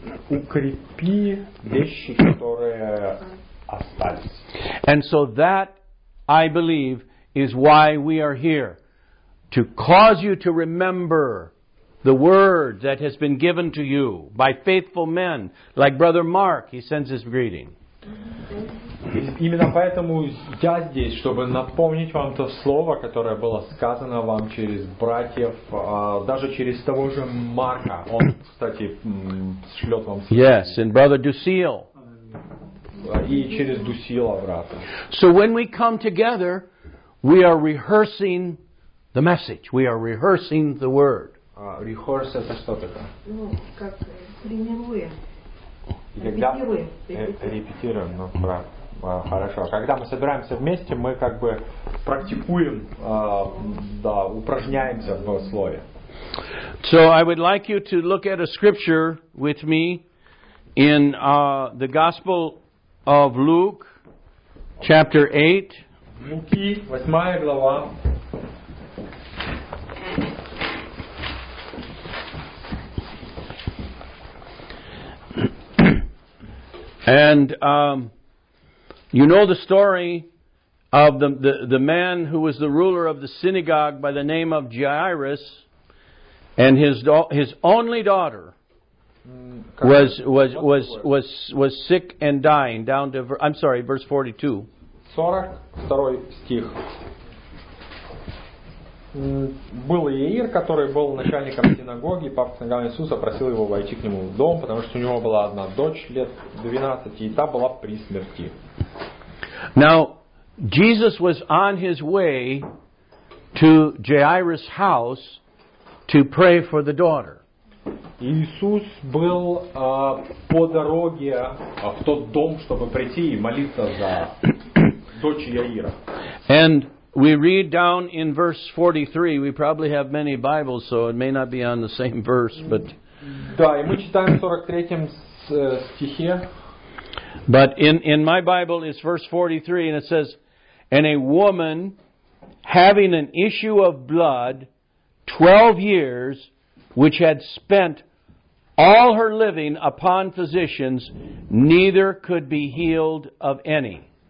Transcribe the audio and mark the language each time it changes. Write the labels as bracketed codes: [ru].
[ru] Укрепи вещи, которые остались. [en] And so that, I believe, is why we are here. To cause you to remember the word that has been given to you by faithful men, like Brother Mark, he sends his greeting. [ru] Именно поэтому я здесь, чтобы напомнить вам то слово, которое было сказано вам через братьев, даже через того же Марка. Он, кстати, шлет вам. [en] Yes, and Brother Dusil. [ru] И через Дусила, брата. [en] So when we come together, we are rehearsing the message. We are rehearsing the word. [ru] Rehearse это что такое? Ну, как тренируем. Репетируем. Ну, хорошо. Когда мы собираемся вместе, мы как бы практикуем, да, упражняемся в слове. [en] So I would like you to look at a scripture with me in the Gospel of Luke, chapter 8. [ru] Луки, 8 глава. [en] And you know the story of the man who was the ruler of the synagogue by the name of Jairus, and his only daughter was sick and dying. Down to verse 42. [ru] 42 стих. Был Иаир, который был начальником синагоги, папа синагоги Иисуса просил его войти к нему в дом, потому что у него была одна дочь лет 12, и та была при смерти. [en] Now, Jesus was on his way to Jairus' house to pray for the daughter. [ru] Иисус был по дороге в тот дом, чтобы прийти и молиться за дочь Иаира. [en] And we read down in verse 43. We probably have many Bibles, so it may not be on the same verse, but. [ru] Да, и мы читаем в 43-м стихе. [en] But in my Bible is verse 43, and it says, "And a woman having an issue of blood, 12 years, which had spent all her living upon physicians, neither could be healed of any."